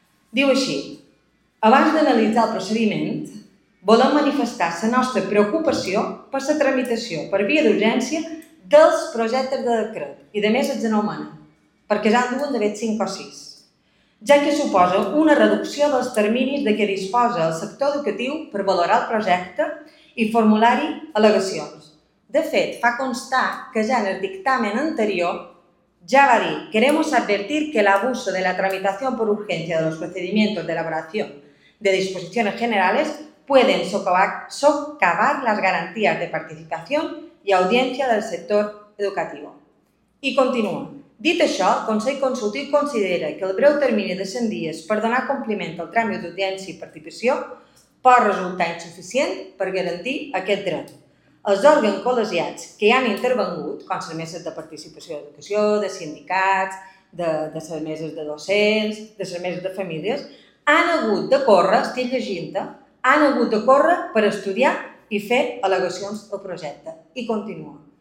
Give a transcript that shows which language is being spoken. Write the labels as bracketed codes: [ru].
[ca] Diu així, abans d'analitzar el procediment, volem manifestar la nostra preocupació per la tramitació, per via d'urgència, dels projectes de decret, i de més els anomena, perquè ja en duen d'haver 5 o 6, ja que suposa una reducció dels terminis de què disposa el sector educatiu per valorar el projecte i formular-hi al·legacions. De fet, fa constar que ja en el dictamen anterior ja va dir: [es] queremos advertir que el abuso de la tramitación por urgencia de los procedimientos de elaboración de disposiciones generales pueden socavar las garantías de participación y audiencia del sector educativo. [ca] I continua. Dit això, el Consell Consultiu considera que el breu termini de 100 dies per donar compliment al tràmit d'audiència i participació pot resultar insuficient per garantir aquest dret. Els òrgans col·legiats que hi han intervengut, com les meses de participació d'educació, de sindicats, de les meses de docents, de les meses de famílies, han hagut de córrer, estic llegint-te, han hagut de córrer per estudiar i fer al·legacions al projecte. I continua.